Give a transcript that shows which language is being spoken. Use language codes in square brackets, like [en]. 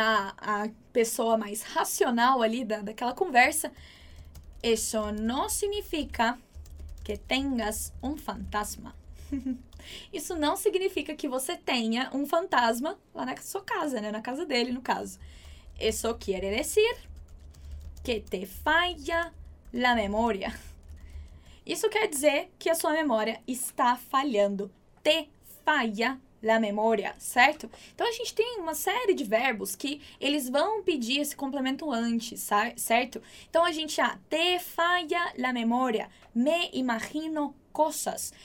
[pt] A pessoa mais racional ali daquela conversa. Isso não significa que tengas um fantasma. Isso não significa que você tenha um fantasma lá na sua casa, né? Na casa dele, no caso. [es] Isso quiere decir que te falla la memoria. [pt] Isso quer dizer que a sua memória está falhando. [es] Te falla la memoria, [pt] certo? Então, a gente tem uma série de verbos que eles vão pedir esse complemento antes, certo? Então, a gente já... [es] Te falla la memoria. Me imagino cosas.